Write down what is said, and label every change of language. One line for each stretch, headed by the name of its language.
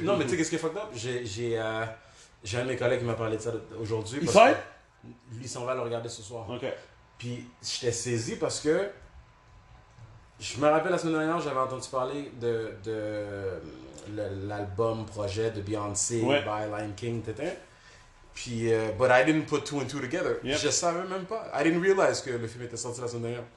French: Non, mais tu sais qu'est-ce qui est fucked up? J'ai un de mes collègues qui m'a parlé de ça aujourd'hui. Parce que lui s'en va le regarder ce soir.
English: Okay.
French: Puis j'étais saisi parce que je me rappelle la semaine dernière, j'avais entendu parler de l'album projet de Beyoncé, ouais. By Lion King, tétin.
English: Puis, but I didn't put two and two together. Yep.
French: Je savais même pas.
English: I didn't realize
French: que le film était sorti la semaine dernière.